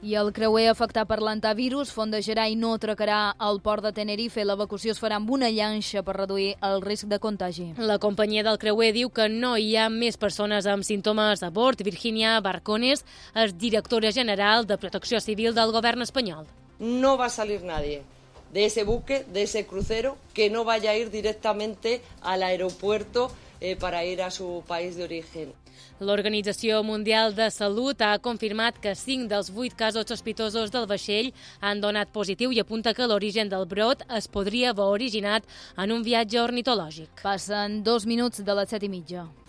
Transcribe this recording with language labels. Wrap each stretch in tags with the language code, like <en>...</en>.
<ca>I el creuer afectat per l'antivirus fondejarà i no atracarà al port de Tenerife. L'evacuació es farà amb una llanxa per reduir el risc de contagi. La companyia del creuer diu que no hi ha més persones amb símptomes a bord. Virginia Barcones és directora general de Protecció Civil del Govern espanyol.</ca> <es>No va a salir nadie de ese buque, de ese crucero, que no vaya a ir directamente al aeropuerto para ir a su país de origen.</es> <ca>L'Organització Mundial de Salut ha confirmat que 5 dels 8 casos sospitosos del vaixell han donat positiu i apunta que l'origen del brot es podria haver originat en un viatge ornitològic. Passen 2 minuts de les 7:30.</ca>